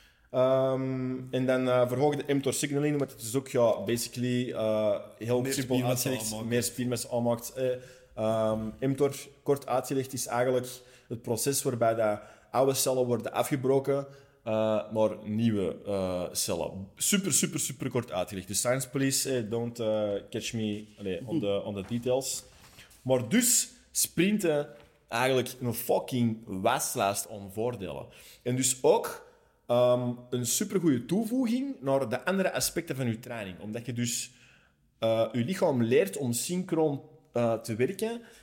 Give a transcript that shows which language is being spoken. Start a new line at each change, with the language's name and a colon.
Dutch: en dan verhoog de mTOR signaling, want het is ook ja, basically heel simpel uitgelegd, meer spiermassa aanmaakt. mTOR, kort uitgelegd, is eigenlijk het proces waarbij de oude cellen worden afgebroken naar nieuwe cellen. Super, super, super kort uitgelegd.
English: De science police, don't catch me on the details.
Dutch: Maar dus sprinten eigenlijk een fucking waslijst om voordelen. En dus ook... een supergoeie toevoeging naar de andere aspecten van je training. Omdat je dus je lichaam leert om synchroon te werken.